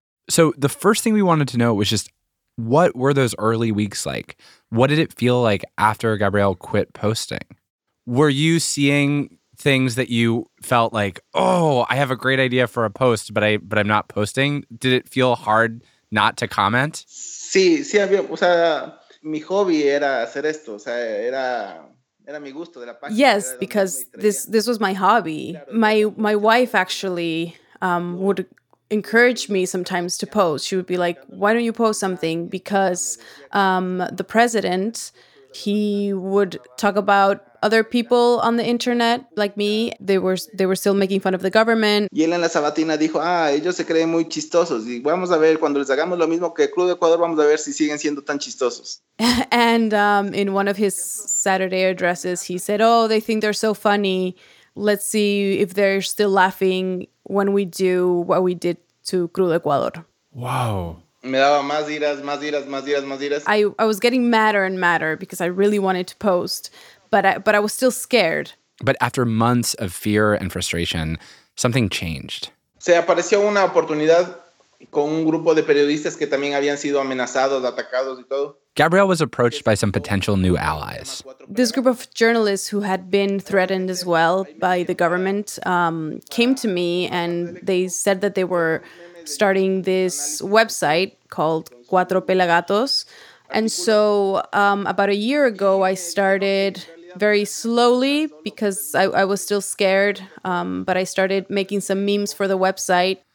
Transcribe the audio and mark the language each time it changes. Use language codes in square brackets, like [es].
[en] So the first thing we wanted to know was just, what were those early weeks like? What did it feel like after Gabriel quit posting? Were you seeing things that you felt like, oh, I have a great idea for a post, but I'm not posting? Did it feel hard not to comment? [es] Sí, sí, había, o sea, mi hobby era hacer esto, o sea, era mi gusto de la página. [en] Yes, because this was my hobby. My wife actually would encourage me sometimes to post. She would be like, why don't you post something? Because the president, he would talk about other people on the internet, like me. They were still making fun of the government. [es] Y Elena Sabatina dijo, ah, ellos se creen muy chistosos. Y vamos a ver, cuando les hagamos lo mismo que Club de Ecuador, vamos a ver si siguen siendo tan chistosos. [en] And in one of his Saturday addresses, he said, oh, they think they're so funny. Let's see if they're still laughing when we do what we did to Crudo Ecuador. Wow. [es] Me daba más iras, más iras, más iras, más iras. [en] I was getting madder and madder because I really wanted to post, but I was still scared. But after months of fear and frustration, something changed. [es] Se apareció una oportunidad con un grupo de periodistas que también habían sido amenazados, atacados y todo. [en] Gabriel was approached by some potential new allies. This group of journalists who had been threatened as well by the government came to me, and they said that they were starting this website called Cuatro Pelagatos. And so about a year ago, I started very slowly because I was still scared, but I started making some memes for the website.